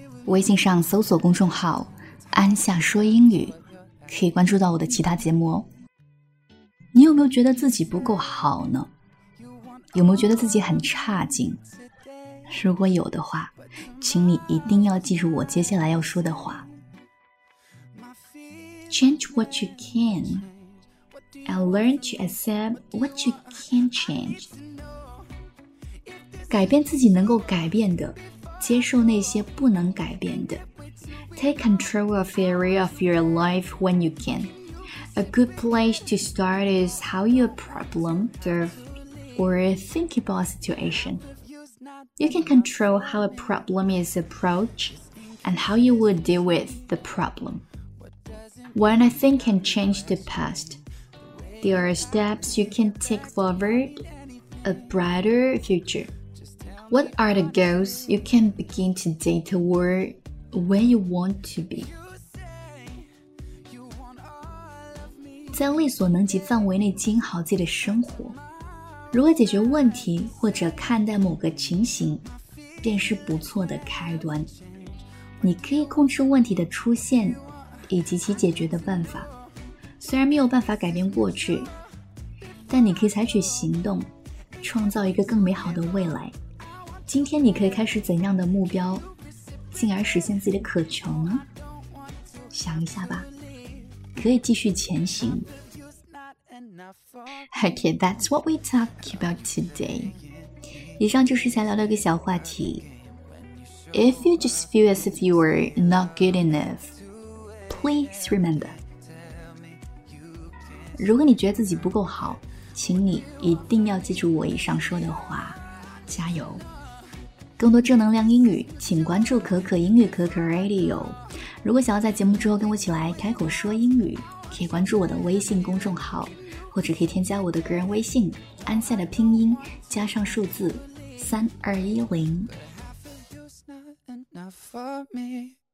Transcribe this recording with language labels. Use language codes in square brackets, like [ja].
[zh] 微信上搜索公众号安夏说英语，可以关注到我的其他节目哦。你有没有觉得自己不够好呢？有没有觉得自己很差劲？如果有的话，请你一定要记住我接下来要说的话。 [en] Change what you can and learn to accept what you can't change. [zh] 改变自己能够改变的，接受那些不能改变的。 [en] Take control of the area of your life when you can. A good place to start is how you problem solve or think about a situation. You can control how a problem is approached and how you would deal with the problem. When a thing can change the past, there are steps you can take forward a brighter future. What are the goals you can begin today toward where you want to be? [zh] 在力所能及范围内经营好自己的生活，如何解决问题或者看待某个情形，便是不错的开端。你可以控制问题的出现以及其解决的办法，虽然没有办法改变过去，但你可以采取行动，创造一个更美好的未来。今天你可以开始怎样的目标，进而实现自己的渴求呢？想一下吧，可以继续前行。 [en] Okay, that's what we talk about today. [zh] 以上就是想聊的一个小话题。 [en] If you just feel as if you were not good enough,Please remember. [zh] 如果你觉得自己不够好，请你一定要记住我以上说的话，加油！更多正能量英语，请关注可可英语可可 Radio。如果想要在节目之后跟我一起来开口说英语，可以关注我的微信公众号，或者可以添加我的个人微信，安夏的拼音加上数字3210。